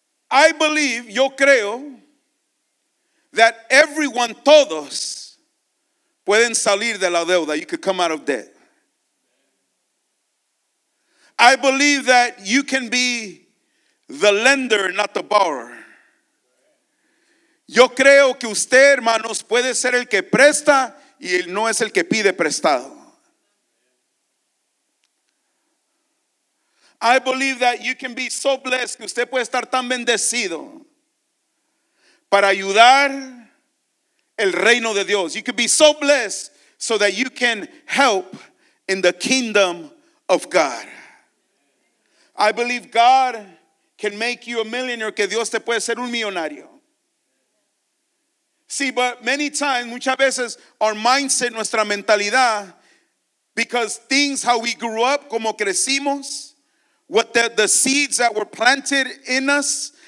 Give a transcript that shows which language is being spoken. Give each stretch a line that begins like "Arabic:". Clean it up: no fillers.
English: I believe,
Spanish: yo creo,
English: that everyone,
Spanish: todos, pueden salir de la deuda.
English: You could come out of debt. I believe that you can be the lender, not the borrower.
Spanish: Yo creo que usted, hermanos, puede ser el que presta y no es el que pide prestado.
English: I believe that you can be so blessed,
Spanish: que usted puede estar tan bendecido para ayudar el reino de Dios.
English: You can be so blessed so that you can help in the kingdom of God. I believe God can make you a millionaire,
Spanish: que Dios te puede hacer un millonario.
English: See, but many times,
Spanish: muchas veces,
English: our mindset,
Spanish: nuestra mentalidad,
English: because things, how we grew up,
Spanish: como crecimos,
English: what the seeds that were planted in us,